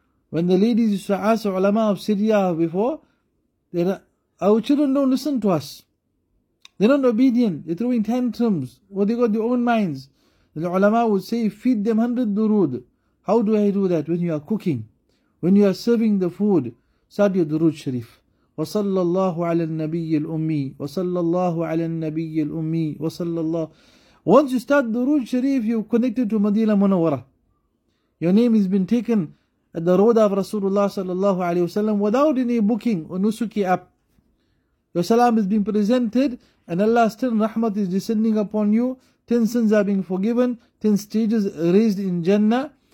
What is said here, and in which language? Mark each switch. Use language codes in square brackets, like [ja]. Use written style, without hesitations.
[en] When the ladies used to ask the ulama of Syria before, our children don't listen to us. They're not obedient. They're throwing tantrums. Or they got their own minds. The ulama would say, feed them 100 durud. How do I do that? When you are cooking, when you are serving the food, start your durud sharif. [ar] وصلى الله على النبي الأمي وصلى الله على النبي الأمي وصلى الله. [en] Once you start durud sharif, you connected to Madina Munawwara. Your name has been taken at the road of Rasulullah صلى الله عليه وسلم without any booking or nusuki app. Your salam has been presented and Allah's 10 rahmat is descending upon you. 10 sins are being forgiven. 10 stages raised in Jannah.